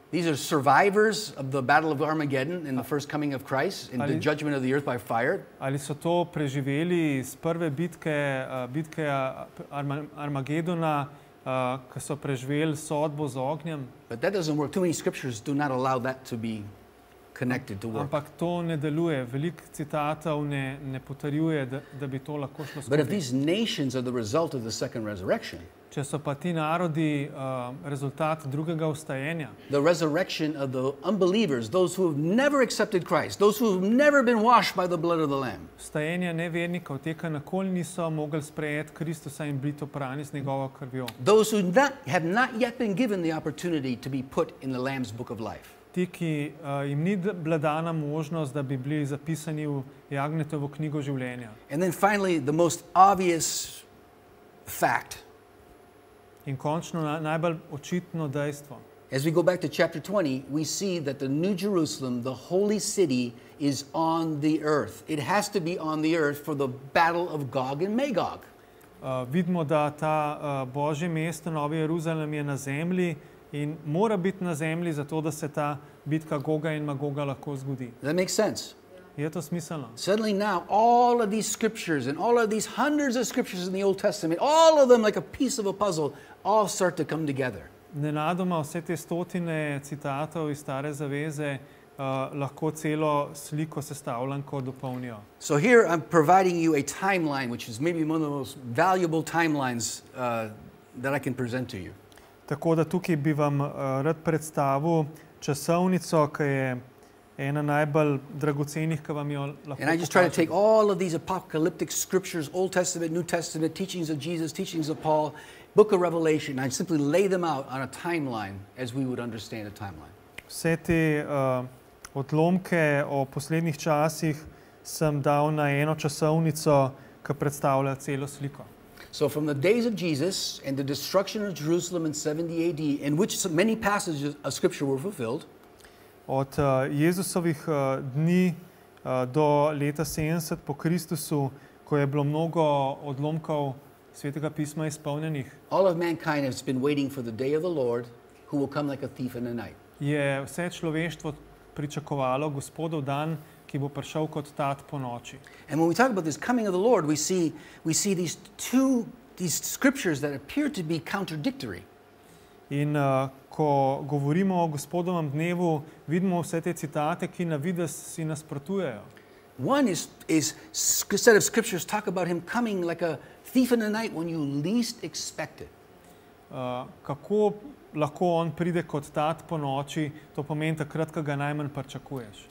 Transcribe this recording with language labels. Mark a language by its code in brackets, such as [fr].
[en] These are survivors of the battle of Armageddon and the first coming of Christ and the judgment of the earth by fire. [sl] Ali so to preživeli iz prve bitke, bitke Armagedona, ko so preživeli sodbo z ognjem. [en] But that doesn't work. Too many scriptures do not allow that to be connected to work. [sl] Ampak to ne deluje. Veliko citatov ne potrjuje, da bi to lahko šlo skupaj. [en] But if these nations are the result of the second resurrection, [sl] če so pa ti narodi rezultat drugega vstajenja, [en] the resurrection of the unbelievers, those who have never accepted Christ, those who have never been washed by the blood of the Lamb. [sl] Vstajenja nevernikov, te, ki nikoli niso mogli sprejeti Kristusa in biti oprani z njegovo krvjo. [en] Those who have not yet been given the opportunity to be put in the Lamb's book of life. [sl] Ti, ki jim ni bila dana možnost, da bi bili zapisani v Jagnetovo knjigo življenja. [en] And then finally, the most obvious fact. [sl] In končno najbolj očitno dejstvo. [en] As we go back to chapter 20, we see that the New Jerusalem, the holy city, is on the earth. It has to be on the earth for the battle of Gog and Magog. [sl] Vidimo, da ta Božje mesto, Novi Jeruzalem, je na zemlji in mora biti na zemlji, zato da se ta bitka Goga in Magoga lahko zgodi. [en] That makes sense. [sl] Je to smiselno. [en] Suddenly now, all of these scriptures and all of these hundreds of scriptures in the Old Testament, all of them like a piece of a puzzle, all start to come together. [sl] Nenadoma vse te stotine citatov iz Stare zaveze lahko celo sliko sestavljanko dopolnijo. [en] So here I'm providing you a timeline, which is maybe one of the most valuable timelines that I can present to you. [sl] Tako da tukaj bi vam rad predstavil časovnico, ki je ena najbolj dragocenih, ki vam jo lahko. [en] And I just try to take all of these apocalyptic scriptures, Old Testament, New Testament, teachings of Jesus, teachings of Paul, Book of Revelation, and I simply lay them out on a timeline as we would understand a timeline. [sl] Vse te odlomke o poslednjih časih sem dal na eno časovnico, ki predstavlja celo sliko. [en] So from the days of Jesus and the destruction of Jerusalem in 70 AD, in which many passages of scripture were fulfilled, [sl] od Jezusovih dni do leta 70 po Kristusu, ko je bilo mnogo odlomkov Svetega pisma izpolnjenih. [en] All of mankind has been waiting for the day of the Lord, who will come like a thief in the night. [sl] Je vse človeštvo pričakovalo Gospodov dan, ki bo prišel kot tat po noči. [en] And when we talk about this coming of the Lord, we see these scriptures that appear to be contradictory. [sl] In ko govorimo o Gospodovem dnevu, vidimo vse te citate, ki na vides si nasprotujejo. [en] One is set of scriptures talk about him coming like a thief in the night when you least expect it. [sl] Kako lahko on pride kot tat po noči, to pomeni takrat, ko ga najmanj pričakuješ.